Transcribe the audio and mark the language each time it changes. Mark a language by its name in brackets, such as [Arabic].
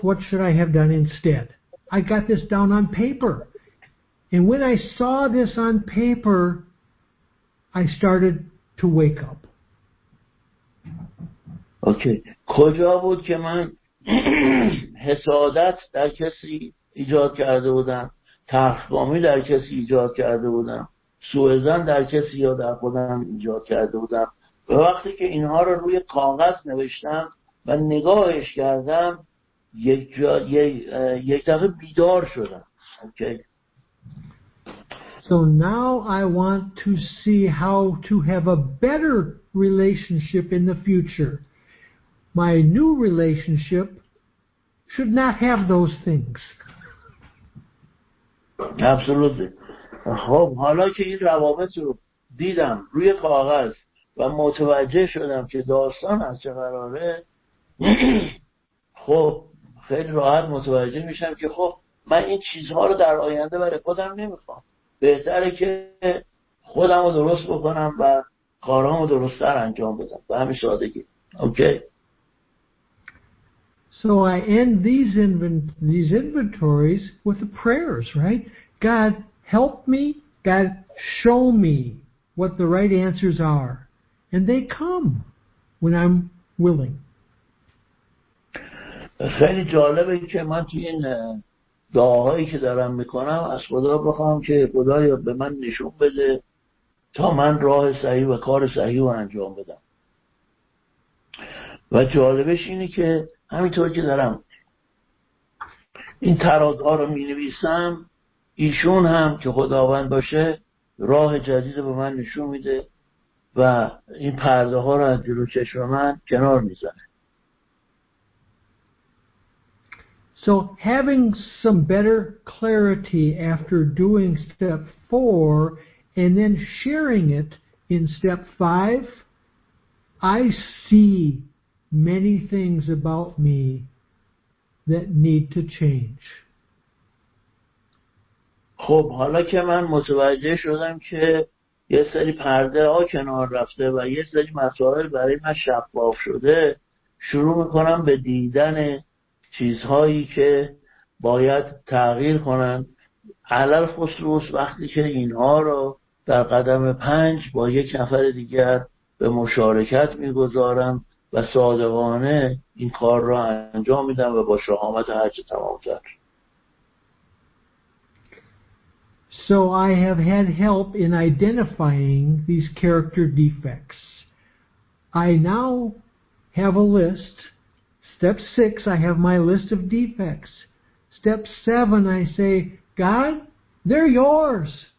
[English] What should I have done instead? I got this down on paper. And when I saw this on paper, I started to wake up. Okay. [Persian] کجا بود که من حسادت در کسی ایجاد کرده بودم، تحقیقامی در کسی ایجاد کرده بودم، سوءظن در کسی یا در خودم ایجاد کرده بودم؟ به وقتی که اینها رو روی کاغذ نوشتم و نگاهش کردم، یک دفعه بیدار شدم. [English] Okay. So now I want to see how to have a better relationship in the future. My new relationship should not have those things. Absolutely. [Persian] خب حالا که این روابط رو دیدم روی کاغذ و متوجه شدم که داستان از چه قراره، خب خیلی راحت متوجه میشم که خب من این چیزها رو در آینده برای خودم نمیخوام، بهتره که خودم رو درست بکنم و کارامو درست‌تر انجام بدم به همین سادگی. [English] Okay. So I end these inventories with the prayers, right? God, help me. God, show me what the right answers are. And they come when I'm willing. [Persian] خیلی جالبه که من توی این دعاهایی که دارم میکنم از خدا بخوام که خدا یا به من نشون بده تا من راه صحیح و کار صحیح رو انجام بدم. و جالبش اینه که همینطور که دارم این تراده ها رو می نویسم، ایشون هم که خداوند باشه راه جدید به من نشون میده و این پرده ها رو از جلو چشم من کنار می زنه. [English] So having some better clarity after doing step 4 and then sharing it in step 5, I see many things about me that need to change. [Persian] خب حالا که من متوجه شدم که یه سری پرده ها کنار رفته و یه سری مسائل برای من شفاف شده، شروع میکنم به دیدن چیزهایی که باید تغییر کنن، علل خصوص وقتی که اینها رو در قدم 5 با یک نفر دیگر به مشارکت میگذارم و صادقانه این کار را انجام میدم و با شهامت هرچه تمام تر. [English] So I have had help in identifying these character defects. I now have a list. Step 6, I have my list of defects. Step 7, I say, God, they're yours.